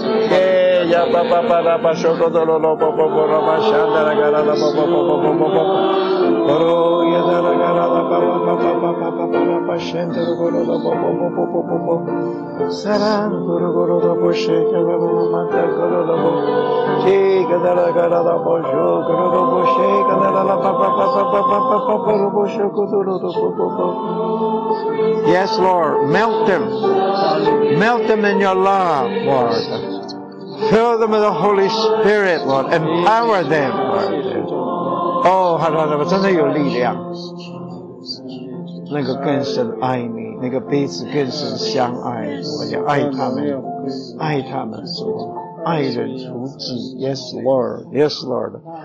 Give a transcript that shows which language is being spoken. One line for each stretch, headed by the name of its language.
English: 耶呀巴巴巴拉巴修多多罗罗波波波罗巴香达拉嘎拉拉波波波波波波波波罗耶达拉嘎拉拉巴巴巴巴巴巴巴巴拉巴香达罗罗罗波波波波波波波萨拉罗罗罗罗波谢嘎拉罗罗曼达罗罗罗波提嘎达拉嘎拉拉波修嘎罗罗波谢嘎达拉拉巴巴巴巴巴巴巴巴巴罗波修嘎多罗罗波波波。 Yes, Lord, melt them. Melt them in your love, Lord. Fill them with the Holy Spirit, Lord. Empower them, Lord.
Chinese: Oh, 好的，好的，我真的有力量。那个更深爱你，那个彼此更深相爱，我就爱他们，爱他们，主，爱人如己。
English: Yes, Lord. Yes, Lord.